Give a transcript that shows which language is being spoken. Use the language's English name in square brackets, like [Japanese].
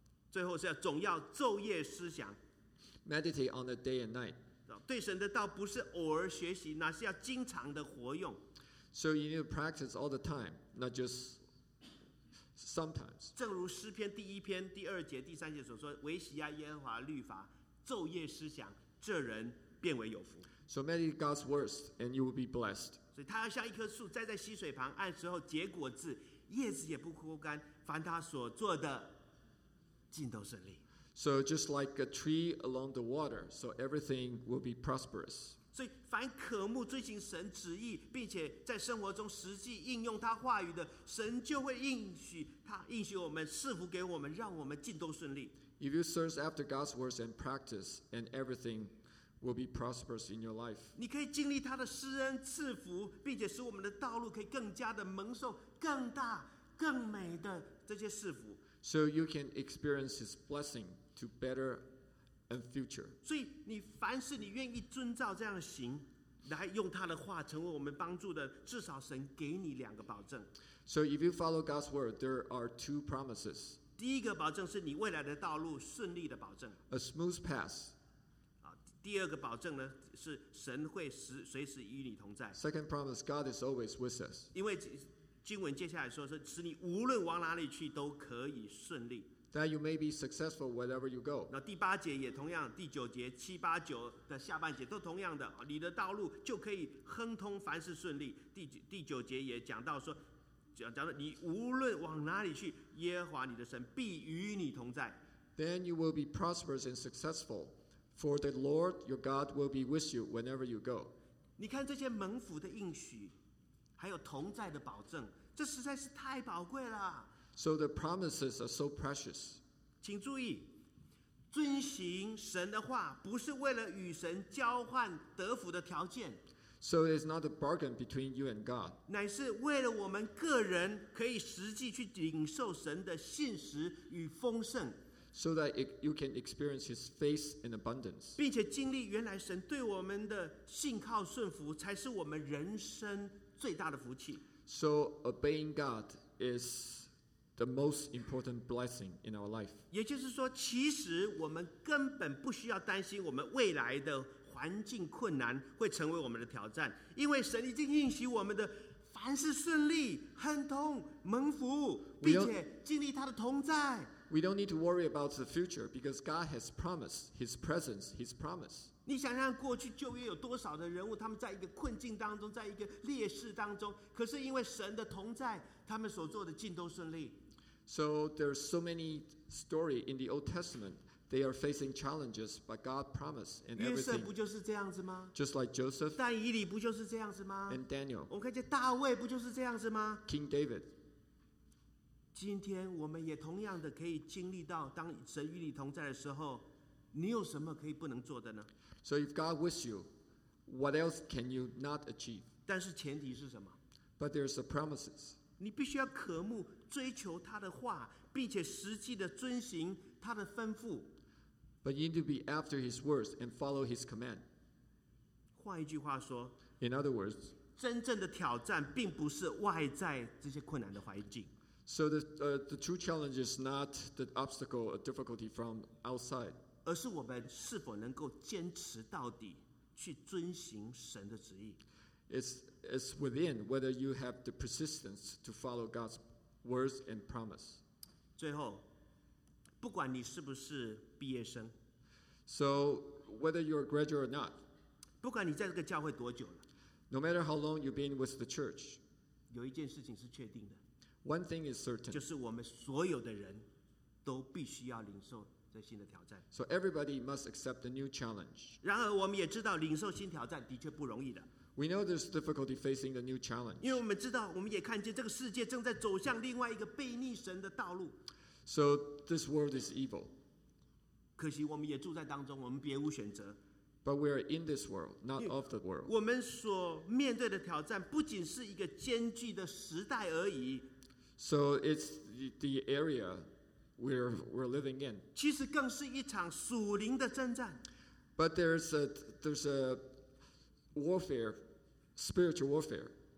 [Chinese] 最后是要总要昼夜思想。 [English] Meditate on the day and night. [Chinese] 对神的道不是偶尔学习，那是要经常的活用。 [English] So you need to practice all the time, not just sometimes. [Chinese] 正如诗篇第一篇第二节第三节所说，唯喜爱耶和华律法，昼夜思想，这人变为有福。 [English] So meditate God's words, and you will be blessed. [Chinese] 所以他要像一棵树，栽在溪水旁，按时后结果子，叶子也不枯干。凡他所做的，尽都顺利。 [English] So just like a tree along the water, so everything will be prosperous. [Chinese] 所以凡渴慕遵行神旨意并且在生活中实际应用他话语的，神就会应许他，应许我们，赐福给我们，让我们尽都顺利。 [English] If you search after God's words and practice, and everything will be prosperous in your life. [Chinese] 你可以经历他的施恩赐福，并且使我们的道路可以更加的蒙受更大更美的这些赐福。 [English] So you can experience His blessing to better and future. [Chinese] 所以你凡事你愿意遵照这样行，来用他的话成为我们帮助的，至少神给你两个保证。 [English] So if you follow God's word, there are two promises. [Chinese] 第一个保证是你未来的道路顺利的保证。 [English] A smooth path. [Chinese] 第二个保证呢，是神会随时与你同在。 [English] Second promise, God is always with us. [Chinese] 因为经文接下来说是使你无论往哪里去都可以顺利。 [English] That you may be successful wherever you go. [Chinese] 那第八节也同样，第九节、七八九的下半节都同样的，你的道路就可以亨通，凡事顺利。第九节也讲到说，讲到你无论往哪里去，耶和华你的神必与你同在。 [English] Then you will be prosperous and successful, for the Lord your God will be with you whenever you go. [Chinese] 你看这些蒙福的应许，还有同在的保证，这实在是太宝贵了。 [English] So the promises are so precious. [Chinese] 请注意，遵行神的话不是为了与神交换得福的条件。 [English] So it's not a bargain between you and God. [Chinese] 乃是为了我们个人可以实际去领受神的信实与丰盛。 [English] So that you can experience His face in abundance. [Chinese] 并且经历原来神对我们的信靠顺服才是我们人生最大的福气。 [English] So obeying God is the most important blessing in our life. [Chinese] 也就是说，其实我们根本不需要担心我们未来的环境困难会成为我们的挑战，因为神已经应许我们的凡事顺利、亨通、蒙福，并且经历他的同在。 [English] We don't need to worry about the future because God has promised His presence, His promise. [Chinese] 你想想过去旧约有多少的人物，他们在一个困境当中，在一个劣势当中，可是因为神的同在，他们所做的尽都顺利。 [English] So there are so many stories in the Old Testament. They are facing challenges, but God promised and everything. [Chinese] 约瑟不就是这样子吗 [English] ？Just like Joseph. [Chinese] 但以理不就是这样子吗 [English] ？And Daniel. [Chinese] 我们看见大卫不就是这样子吗 [English] ？King David. [Chinese] 今天我们也同样的可以经历到，当神与你同在的时候，你有什么可以不能做的呢 [English] ？So if God with you, what else can you not achieve? [Chinese] 但是前提是什么 [English] ？But there's the promises. [Chinese] 你必须要渴慕、追求他的话，并且实际的遵行他的吩咐。 [English] But you need to be after His words and follow His command. [Chinese] 换一句话说 [English] ，In other words, [Chinese] 真正的挑战并不是外在这些困难的环境。 [English] So the true challenge is not the obstacle or difficulty from outside. [Chinese] 而是我们是否能够坚持到底，去遵行神的旨意。 [English] It's within whether you have the persistence to follow God's words and promise. [Chinese] 最后，不管你是不是毕业生 [English] ，So whether you're a graduate or not. [Chinese] 不管你在这个教会多久了 [English] ，No matter how long you've been with the church. [Chinese] 有一件事情是确定的。 [English] One thing is certain, [Chinese] 就是我们所有的人都必须要领受这新的挑战。 [English] So everybody must accept the new challenge. [Chinese] 然而，我们也知道领受新挑战的确不容易的。 [English] We know there's difficulty facing the new challenge. [Chinese] 因为我们知道，我们也看见这个世界正在走向另外一个背逆神的道路。 [English] So this world is evil. [Chinese] 可惜我们也住在当中，我们别无选择。 [English] But we are in this world, not of the world. [Chinese] 我们所面对的挑战不仅是一个艰巨的时代而已。 [English] So it's the area we're living in. [Chinese] 其实更是一场属灵的征战。 [English] But there's a warfare, spiritual warfare.